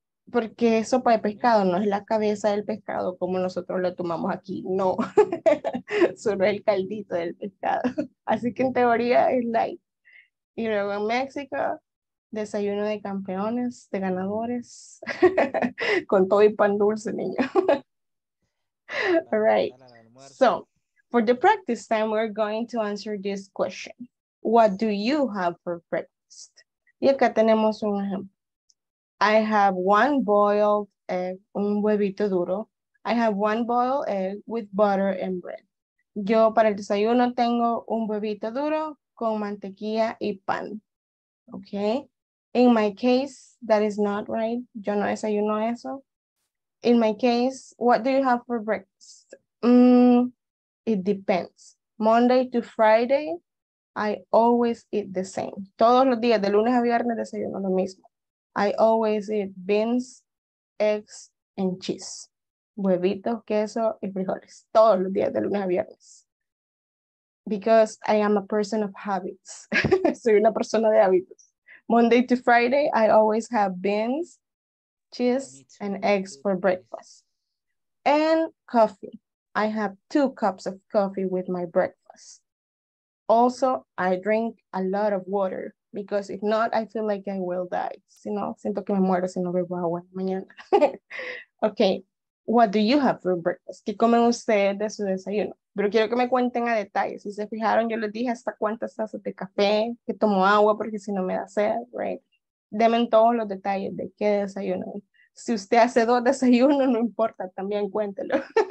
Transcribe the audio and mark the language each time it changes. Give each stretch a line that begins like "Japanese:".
Spanish: Porque sopa de pescado no es la cabeza del pescado como nosotros lo tomamos aquí, no. Solo el caldito del pescado. Así que en teoría es light. Y luego en México, desayuno de campeones, de ganadores. Con todo y pan dulce, niño.
English: All right. So, for the practice time, we're going to answer this question. What do you have for breakfast?
Spanish: Y acá tenemos un ejemplo.
English: I have one boiled egg,
Spanish: un huevito duro.
English: I have one boiled egg with butter and bread.
Spanish: Yo para el desayuno tengo un huevito duro con mantequilla y pan.
English: Okay. In my case, that is not right.
Spanish: Yo no desayuno eso.
English: In my case, what do you have for breakfast? It depends. Monday to Friday, I always eat the same.
Spanish: Todos los días, de lunes a viernes, desayuno lo mismo.
English: I always eat beans, eggs, and cheese.
Spanish: Huevitos, queso, y frijoles. Todos los días de lunes a viernes.
English: Because I am a person of habits.
Spanish: Soy una persona de hábitos.
English: Monday to Friday, I always have beans, cheese, and eggs for breakfast. And coffee. I have 2 cups of coffee with my breakfast. Also, I drink a lot of water. Because if not, I feel like I will die.
Spanish: Si no, siento que me muero si no bebo agua mañana.
English: Okay, what do you have for breakfast?
Spanish: ¿Qué comen ustedes de su desayuno? Pero quiero que me cuenten a detalle. Si se fijaron, yo les dije hasta cuántas tazas de café, que tomo agua porque si no me da sed, right? Deme todos los detalles de qué desayuno. Si usted hace 2 desayunos, no importa, también cuéntelo.